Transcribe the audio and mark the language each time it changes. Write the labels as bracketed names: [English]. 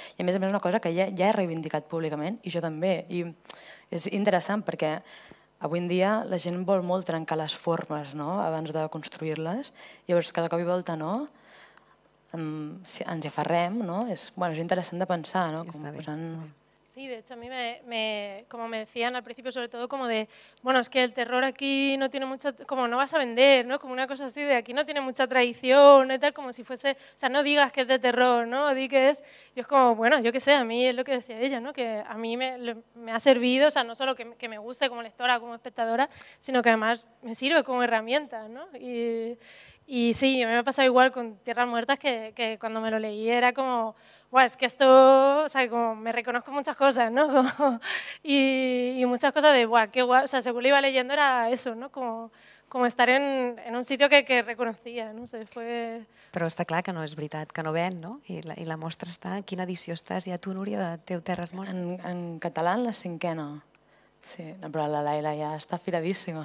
[Catalan] I a més, una cosa que ja he reivindicat públicament, i jo també, i és interessant perquè avui en dia la gent vol molt trencar les formes, no?, abans de construir-les, i llavors cada cop i volta, no?, si ens aferrem, no?, és, bueno, és interessant de pensar, no?, com posant... [Spanish] Sí, de hecho a mí me como me decían al principio sobre todo como de, bueno, es que el terror aquí no tiene mucha, como no vas a vender, ¿no? Como una cosa así de aquí no tiene mucha tradición, ¿no? Y tal, como si fuese, o sea, no digas que es de terror, ¿no? Di que es, y es como, bueno, yo qué sé, a mí es lo que decía ella, ¿no? Que a mí me ha servido, o sea, no solo que me guste como lectora, como espectadora, sino que además me sirve como herramienta, ¿no? Y sí, a mí me ha pasado igual con Tierras Muertas que cuando me lo leí era como... Bueno, es que esto, o sea, como me reconozco muchas cosas, ¿no? Como, y muchas cosas de, guau, qué guau, o sea, según lo iba leyendo era eso, ¿no? Como estar en un sitio que reconocía, no sé, fue... [Catalan] Però està clar que no és veritat, que no ven, no? I la mostra està, quina edició estàs ja tu, Núria, de Teu Terres Mortes? En català, en la cinquena. Sí, però la Laila ja està firadíssima.